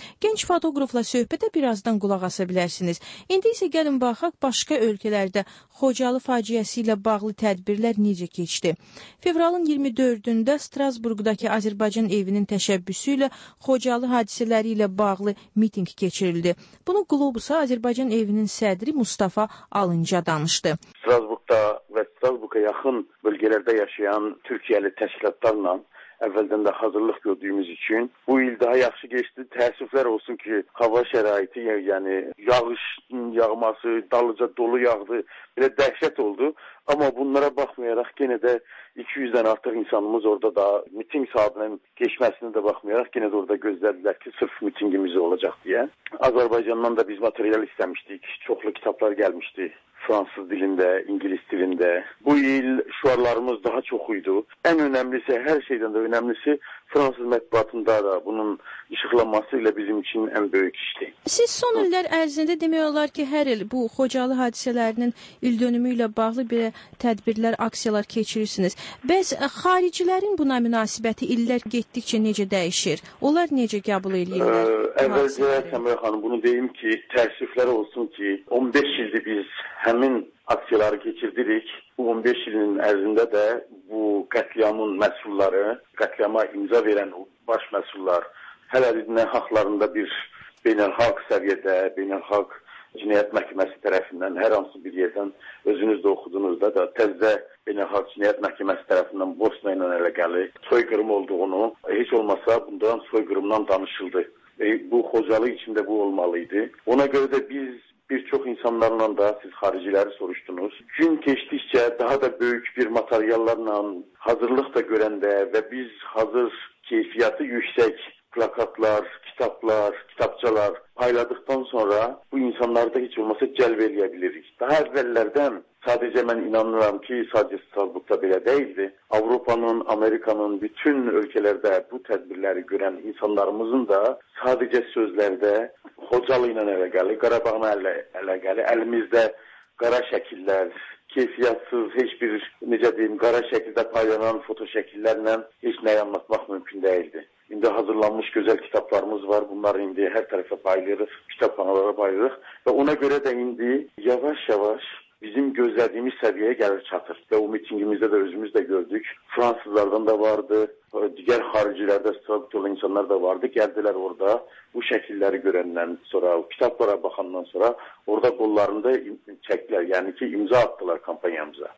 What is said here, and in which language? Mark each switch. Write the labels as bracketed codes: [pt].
[az] Gənc fotoqrafla söhbətə birazdan qulaq asa bilərsiniz. İndi isə gəlin baxaq, başqa ölkələrdə Xocalı faciəsi ilə bağlı tədbirlər necə keçdi. Fevralın 24-də Strasburqdakı Azərbaycan evinin təşəbbüsü ilə Xocalı hadisələri ilə bağlı miting keçirildi. Bunu Globusa Azərbaycan evinin sədri Mustafa Alınca danışdı. [tr] Strasburg'da ve Strasburg'a yakın bölgelerde yaşayan Türkiye'li teşkilatlarla evvelden de hazırlık gördüğümüz için bu il daha yaxşı geçti. [az] Təəssüflər olsun ki, hava şəraiti, yani yağış yağması, dalıca dolu yağdı, belə dəhşət oldu. Amma bunlara baxmayaraq yenə də 200-dən artıq insanımız orada da miting saatinin keçməsinə də baxmayaraq yenə də orada gözlədilər ki, sırf mitingimiz olacaq deyə. Azərbaycandan da biz material istəmişdik, çoxlu kitablar gəlmişdi. Fransız dilində, ingilis dilində. Bu il şuarlarımız daha çox idi. Ən önəmlisi, hər şeydən də önəmlisi, Fransız mətbuatında da bunun işıqlanması ilə bizim üçün ən böyük işdi. Siz son illər ərzində demək olar ki, hər il bu Xocalı hadisələrinin il dönümü ilə bağlı bir tədbirlər, aksiyalar keçirirsiniz. Bəs xaricilərin buna münasibəti illər getdikcə necə dəyişir? Onlar necə qəbul edirlər? Əvvəlcə, Səmrə xanım, bunu deyim ki, təəssüflər olsun ki, 15 ildir biz həmin aksiyaları keçirdirik. Bu 15 ilin ərzində də bu qətliamın məsulları, qətliama imza verən baş məsullar hələ dinə haqlarında bir beynəlxalq səviyyədə, beynəlxalq cinayət məhkəməsi tərəfindən hər hansı bir yerdən özünüz də oxudunuzda da təzə beynəlxalq cinayət məhkəməsi tərəfindən Bosna ilə əlaqəli soyqırım olduğunu, heç olmasa bundan soyqırımdan danışıldı. Bu Xocalı içində bu olmalıydı. Ona görə də biz bir çox insanlarla da siz xariciləri soruşdunuz. Gün keçdikcə daha da böyük bir materiallarla hazırlıq da görəndə və biz hazır keyfiyyəti yüksək plakatlar, kitablar, kitabçalar payladıqdan sonra bu insanları da heç olmasa cəlb eləyə bilirik. Daha əvvəllərdən sadəcə mən inanıram ki, sadəcə Strasburqda belə deyildi. Avropanın, Amerikanın bütün ölkələrdə bu tədbirləri görən insanlarımızın da sadəcə sözlərdə Xocalı ilə əlaqəli, Qarabağın əlaqəli, əlimizdə qara şəkillər, keyfiyyatsız, heç bir, necə deyim, qara şəkildə paylanan foto şəkillərlə heç nəyə anlatmaq mümkün deyildi. İndi hazırlanmış gözəl kitablarımız var, bunları indi hər tərəfə paylayırıq, kitabxanalara paylayırıq və ona görə də indi yavaş-yavaş [tr] bizim gözlediğimiz seviyeye gelir çatır. Ve o mitingimizde de özümüz de gördük. Fransızlardan da vardı, diğer haricilerde sıralık olan insanlar da vardı. Geldiler orada, bu şekilleri görenden sonra, kitaplara bakandan sonra orada kollarında çektiler, yani ki imza attılar kampanyamıza.